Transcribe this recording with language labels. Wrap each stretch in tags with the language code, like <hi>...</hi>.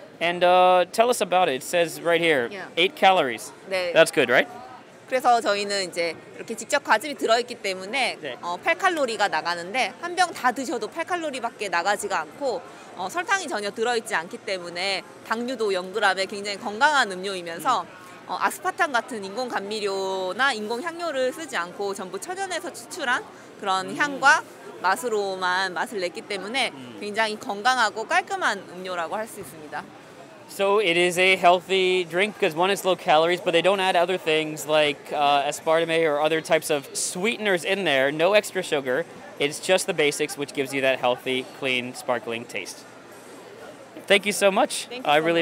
<en>And tell us about it. It says right here, 8 calories.</en> <ko>네.</ko> <en>That's good, right?</en> <ko>그래서 저희는 이제 이렇게 직접 과즙이 들어있기 때문에 8칼로리가 나가는데 한 병 다 드셔도 8칼로리밖에 나가지가 않고 설탕이 전혀 들어있지 않기 때문에 당류도 0g에 굉장히 건강한 음료이면서 아스파탄 같은 인공 감미료나 인공 향료를 쓰지 않고 전부 천연에서 추출한 그런 향과 맛으로만 맛을 냈기 때문에 굉장히 건강하고 깔끔한 음료라고 할 수 있습니다.</ko> <en>So it is a healthy drink because one is low calories, but they don't add other things like aspartame or other types of sweeteners in there. No extra sugar. It's just the basics, which gives you that healthy, clean, sparkling taste. Thank you so much. I really</en>